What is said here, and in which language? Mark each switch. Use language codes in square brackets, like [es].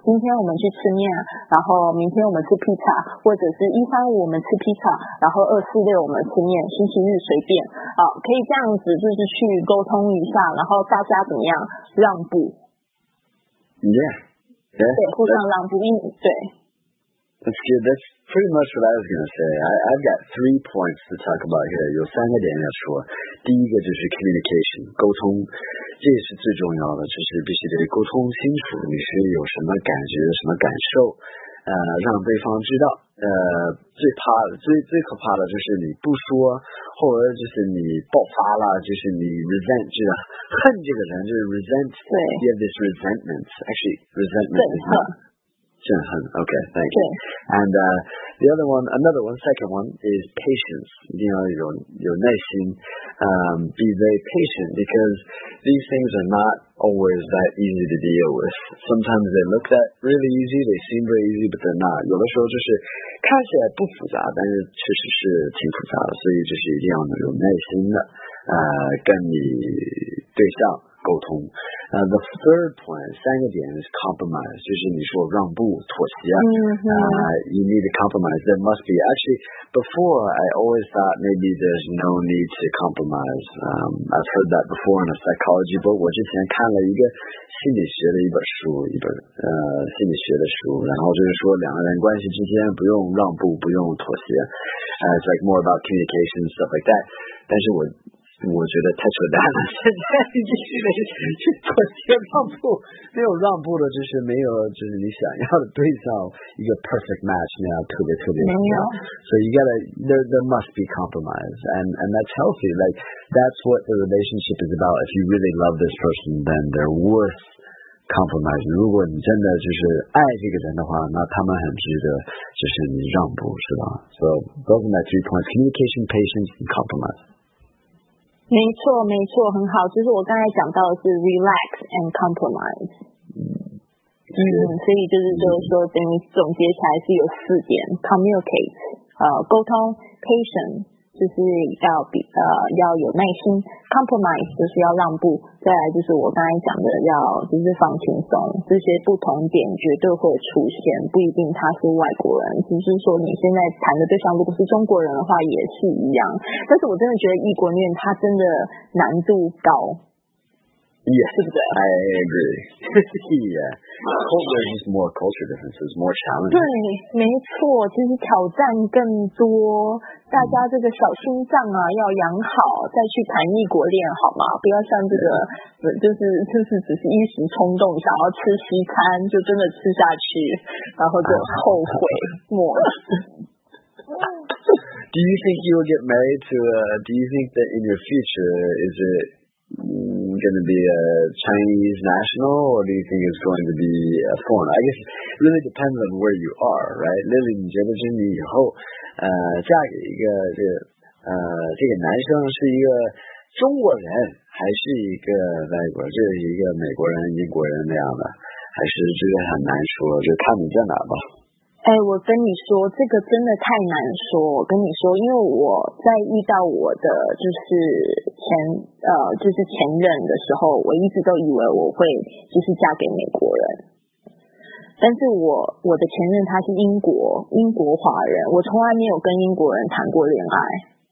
[zh] 今天我们去吃面，然后明天我们吃披萨，或者是135我们吃披萨，然后246我们吃面，星期日随便。好，可以这样子就是去沟通一下，然后大家怎么样让步 [en] ？Yeah， [zh] 对，互相让步，对。 [en] That's good. That's pretty much what I was going to say. I've got three points to talk about here. [zh] 有三个点要说。第一个就是 communication, 沟通，这是最重要的，就是必须得沟通清楚你是有什么感觉、什么感受，让对方知道。最可怕的就是你不说，或者就是你爆发了，就是你 resent, 就是恨这个人，就是 resent, [en] you have this resentment. Actually, resentment is not. Okay, thank you. And the other one, another one, second one, is patience. You know, your 耐心 be very patient because these things are not always that easy to deal with. Sometimes they look that really easy, they seem very easy, but they're not. [zh] 有的时候就是看起来不复杂，但是确实是挺复杂的，所以就是一定要有耐心的跟你对象沟通。 [en] The third point, [zh] 三个点 [en] is compromise, [zh] 就是你说让步妥协、 [en] You need to compromise. There must be, actually, before I always thought maybe there's no need to compromise. I've heard that before in a psychology book. [zh] 我之前看了一个心理学的一本书，一本心理学的书，然后就是说两个人关系之间不用让步，不用妥协。 [en] It's like more about communication and stuff like that. [zh] 但是我觉得太扯淡了，现在就是没去妥协让步，没有让步的，就是没有就是你想要的对象，一个 [en] perfect match [zh] 那样特别特别重要。 [en] So you gotta, there must be compromise, and that's healthy. Like, that's what the relationship is about. If you really love this person, then they're worth compromising. [zh] 如果你真的就是爱这个人的话，那他们很值得就是你让步，是吧？ [en] So those are my three points, communication, patience, and compromise. [zh] 没错没错，很好，就是我刚才讲到的是 [en] relax and compromise。 [zh] 所以就是说等于总结起来是有四点， communicate、沟通， patience 就是要有耐心， compromise 就是要让步，再来就是我刚才讲的要就是放轻松，这些不同点绝对会出现，不一定他是外国人，就是说你现在谈的对象如果是中国人的话也是一样，但是我真的觉得异国恋它真的难度高。 [en] Yes, [zh] 是不是？ [en] I agree. Yeah, there's just more culture differences, more challenges. [zh] 对，没错，其实挑战更多，大家这个小心脏啊要养好再去谈异国恋好吗？不要像这个、就是只是一时冲动想要吃西餐就真的吃下去然后就后悔莫了。 [en] Do you think you'll get married to do you think that in your future is it going to be a Chinese national or do you think it's going to be a foreign? I guess it really depends on where you are, right? [zh] Lily, 你觉得是你以后嫁给一个这个男生是一个中国人还是一个外国人，这是一个美国人英国人那样的，还是这个很难说，就看你在哪吧。哎，我跟你说这个真的太难说，我跟你说，因为我在遇到我的就是前任的时候，我一直都以为我会就是嫁给美国人，但是我的前任他是英国华人，我从来没有跟英国人谈过恋爱。